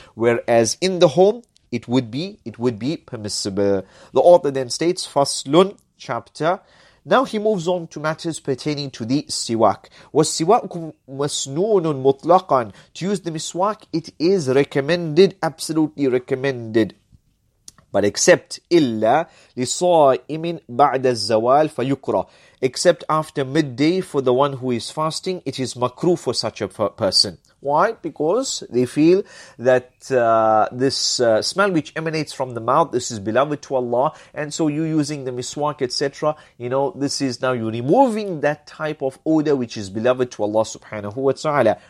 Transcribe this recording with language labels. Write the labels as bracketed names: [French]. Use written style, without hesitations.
[English] Whereas in the home, It would be permissible. The author then states, Faslun, chapter. Now he moves on to matters pertaining to the siwak. [Arabic] والسواك مسنون مطلقا. [English] To use the miswak, it is recommended, absolutely recommended. But except, [Arabic] إلا لصائم بعد الزوال فيكره. [English] Except after midday for the one who is fasting, it is makruh for such a person. Why? Because they feel that this smell which emanates from the mouth, this is beloved to Allah. And so you using the miswak, etc., you know, this is now you removing that type of odor which is beloved to Allah subhanahu wa ta'ala.